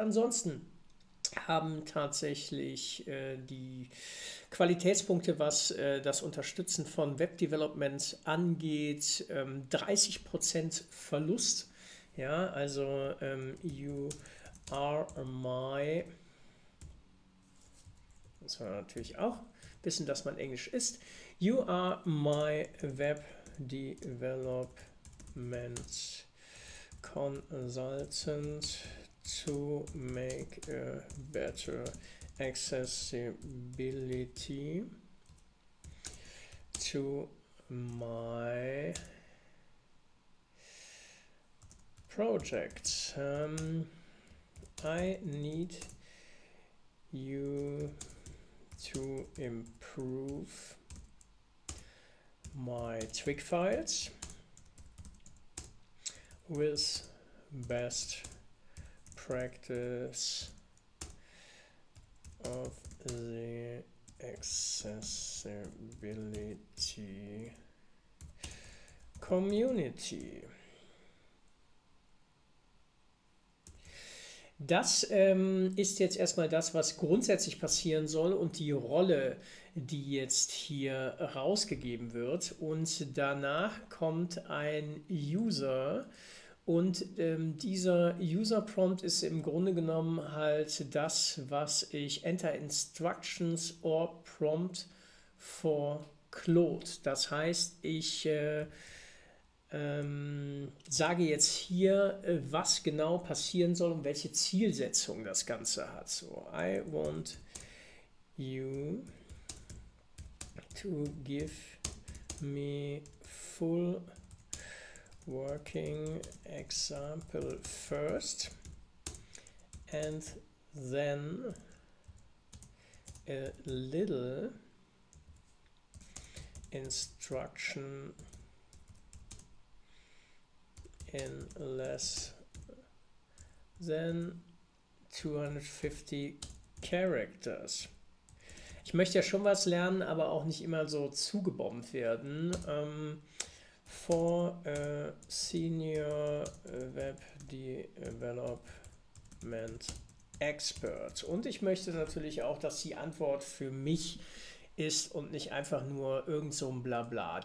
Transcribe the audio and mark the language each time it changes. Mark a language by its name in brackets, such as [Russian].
[German] Ansonsten haben tatsächlich die Qualitätspunkte, was das Unterstützen von Web Development angeht, 30% Verlust. Ja, also [English] you are my. [German] Muss man natürlich auch wissen, dass man Englisch ist. [English] You are my Web Development Consultant to make a better Accessibility to my project. I need you to improve my Twig files with best practice of the accessibility community. [German] Das ist jetzt erstmal das, was grundsätzlich passieren soll und die Rolle, die jetzt hier rausgegeben wird. Und danach kommt ein User und dieser User Prompt ist im Grunde genommen halt das, was ich [English] Enter Instructions or Prompt for Claude. [German] Das heißt, ich sage jetzt hier, was genau passieren soll und welche Zielsetzung das Ganze hat. [English] So, I want you to give me full working example first and then a little instruction in less than 250 characters. [German] Ich möchte ja schon was lernen, aber auch nicht immer so zugebombt werden. [English] For a senior web development expert. [German] Und ich möchte natürlich auch, dass die Antwort für mich ist und nicht einfach nur irgend so ein Blabla.